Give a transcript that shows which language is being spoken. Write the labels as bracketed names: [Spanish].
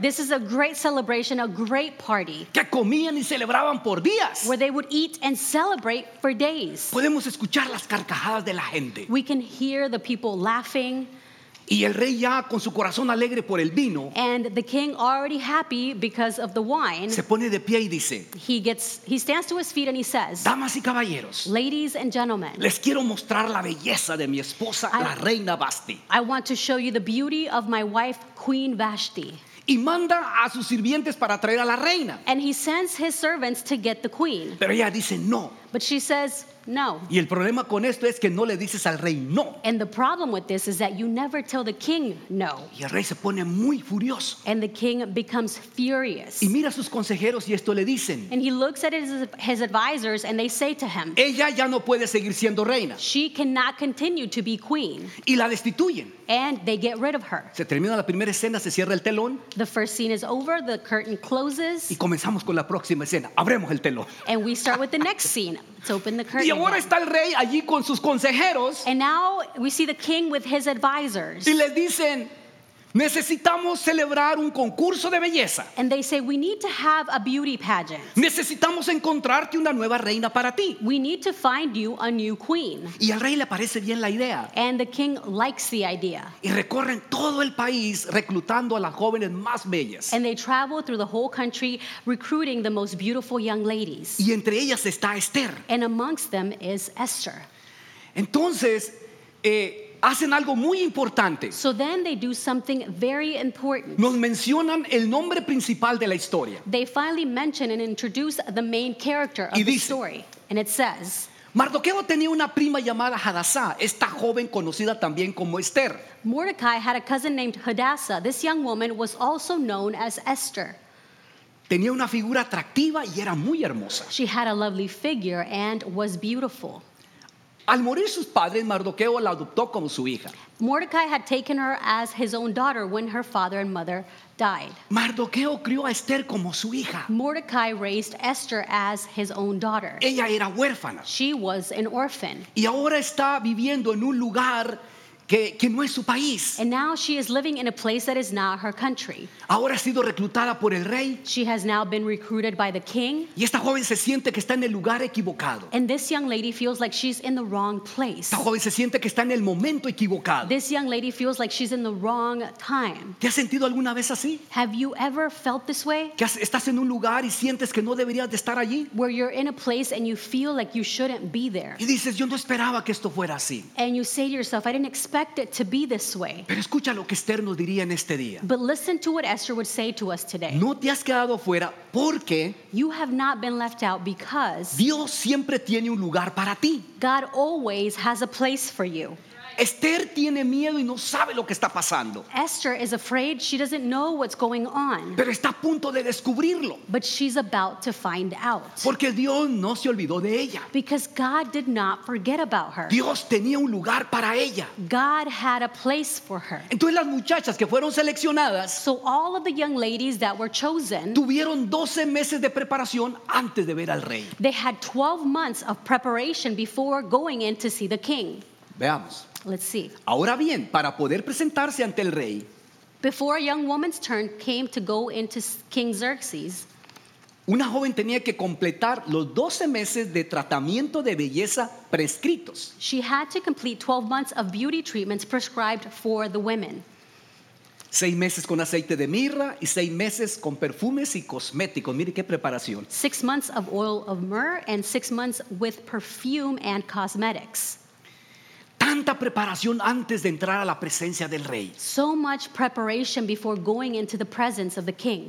[English] This is a great celebration, a great party. [Spanish] Que comían y celebraban por días. [English] Where they would eat and celebrate for days. [Spanish] Podemos escuchar las carcajadas de la gente. [English] We can hear the people laughing. [Spanish] Y el rey ya con su corazón alegre por el vino. [English] And the king already happy because of the wine. [Spanish] Se pone de pie y dice. [English] He stands to his feet and he says. [Spanish] Damas y caballeros. [English] Ladies and gentlemen. [Spanish] Les quiero mostrar la belleza de mi esposa, la reina Vashti. [English] I want to show you the beauty of my wife, Queen Vashti. [Spanish] Y manda a sus sirvientes para traer a la reina. [English] And he sends his servants to get the queen. [Spanish] Pero ella dice no. [English] But she says no. [Spanish] Y el problema con esto es que no le dices al rey no. [English] And the problem with this is that you never tell the king no. [Spanish] Y el rey se pone muy furioso. [English] And the king becomes furious. [Spanish] Y mira a sus consejeros y esto le dicen. [English] And he looks at his advisors and they say to him. [Spanish] Ella ya no puede seguir siendo reina. [English] She cannot continue to be queen. [Spanish] Y la destituyen. [English] And they get rid of her. [Spanish] Se termina la primera escena, se cierra el telón. [English] The first scene is over, the curtain closes. [Spanish] Y comenzamos con la próxima escena, abremos el telón. [English] And we start with the next scene. Let's open the curtain. [Spanish] Y ahora está el rey allí con sus consejeros. [English] And now we see the king with his advisors. [Spanish] Y les dicen, necesitamos celebrar un concurso de belleza. [English] And they say, we need to have a beauty pageant. [Spanish] Necesitamos encontrarte una nueva reina para ti. [English] We need to find you a new queen. [Spanish] Y al rey le parece bien la idea. [English] And the king likes the idea. [Spanish] Y recorren todo el país reclutando a las jóvenes más bellas. [English] And they travel through the whole country recruiting the most beautiful young ladies. [Spanish] Y entre ellas está Esther. [English] And amongst them is Esther. [Spanish] Entonces, hacen algo muy importante. [English] So then they do something very important. [Spanish] Nos mencionan el nombre principal de la historia. [English] They finally mention and introduce the main character of the story. And it says, [Spanish] Mardoqueo tenía una prima llamada Hadassah, esta joven conocida también como Esther. [English] Mordecai had a cousin named Hadassah. This young woman was also known as Esther. [Spanish] Tenía una figura atractiva y era muy hermosa. [English] She had a lovely figure and was beautiful. [Spanish] Al morir sus padres, Mardoqueo la adoptó como su hija. [English] Mordecai had taken her as his own daughter when her father and mother died. [Spanish] Mardoqueo crió a Esther como su hija. [English] Mordecai raised Esther as his own daughter. [Spanish] Ella era huérfana. [English] She was an orphan. [Spanish] Y ahora está viviendo en un lugar que no es su país. [English] And now she is living in a place that is not her country. [Spanish] Ahora ha sido reclutada por el rey. [English] She has now been recruited by the king. [Spanish] Y esta joven se siente que está en el lugar equivocado. [English] And this young lady feels like she's in the wrong place. [Spanish] Esta joven se siente que está en el momento equivocado. [English] This young lady feels like she's in the wrong time. [Spanish] ¿Te has sentido alguna vez así? [English] Have you ever felt this way? [Spanish] Que estás en un lugar y sientes que no deberías de estar allí. [English] Where you're in a place and you feel like you shouldn't be there. [Spanish] Y dices, yo no esperaba que esto fuera así. [English] And you say to yourself, I didn't expect it to be this way. [Spanish] Pero escucha lo que Esther nos diría en este día. [English] But listen to what Esther would say to us today. [Spanish] No te has quedado fuera porque [English] you have not been left out because [Spanish] Dios siempre tiene un lugar para ti. [English] God always has a place for you. [Spanish] Esther tiene miedo y no sabe lo que está pasando. [English] Esther is afraid. She doesn't know what's going on. [Spanish] Pero está a punto de descubrirlo. [English] But she's about to find out. [Spanish] Porque Dios no se olvidó de ella. [English] Because God did not forget about her. [Spanish] Dios tenía un lugar para ella. [English] God had a place for her. [Spanish] Entonces las muchachas que fueron seleccionadas, [English] so all of the young ladies that were chosen, [Spanish] tuvieron 12 meses de preparación antes de ver al rey. [English] They had 12 months of preparation before going in to see the king. [Spanish] Veamos. [English] Let's see. [Spanish] Ahora bien, para poder presentarse ante el rey, [English] before a young woman's turn came to go into King Xerxes, [Spanish] Una joven tenía que completar los 12 meses de tratamiento de belleza prescritos. [English] She had to complete 12 months of beauty treatments prescribed for the women. [Spanish] 6 meses con aceite de mirra y 6 meses con perfumes y cosméticos. Mire qué preparación. [English] 6 months of oil of myrrh and 6 months with perfume and cosmetics. [Spanish] Tanta preparación antes de entrar a la presencia del rey. [English] So much preparation before going into the presence of the king.